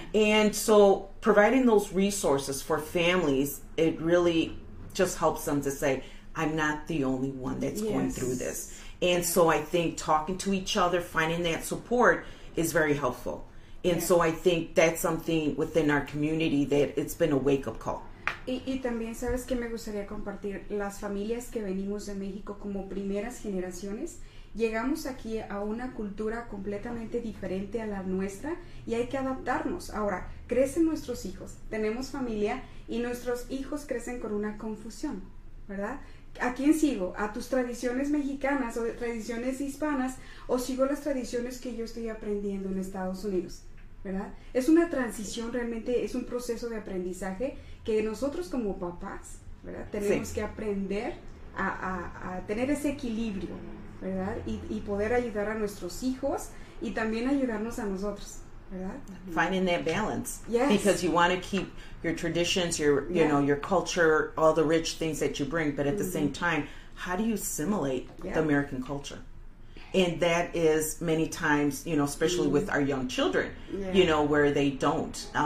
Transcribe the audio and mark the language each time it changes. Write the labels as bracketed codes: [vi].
[en] And so providing those resources for families, it really just helps them to say, I'm not the only one that's yes. going through this. And yeah. so I think talking to each other, finding that support is very helpful. And yeah. so I think that's something within our community that it's been a wake-up call. [es] Y también, ¿sabes qué? Me gustaría compartir las familias que venimos de México como primeras generaciones. Llegamos aquí a una cultura completamente diferente a la nuestra y hay que adaptarnos. Ahora, crecen nuestros hijos, tenemos familia y nuestros hijos crecen con una confusión, ¿verdad? ¿A quién sigo? ¿A tus tradiciones mexicanas o tradiciones hispanas o sigo las tradiciones que yo estoy aprendiendo en Estados Unidos? ¿Verdad? Es una transición realmente, es un proceso de aprendizaje que nosotros como papás, ¿verdad? Tenemos sí. que aprender a tener ese equilibrio, ¿verdad? Y poder ayudar a nuestros hijos y también ayudarnos a nosotros, ¿verdad? [en] Finding that balance. Yes. Because you want to keep your traditions, your yeah. know, your culture, all the rich things that you bring, but at mm-hmm. the same time, how do you assimilate yeah. the American culture? And that is many times, you know, especially mm-hmm. with our young children, yeah. you know, where they don't.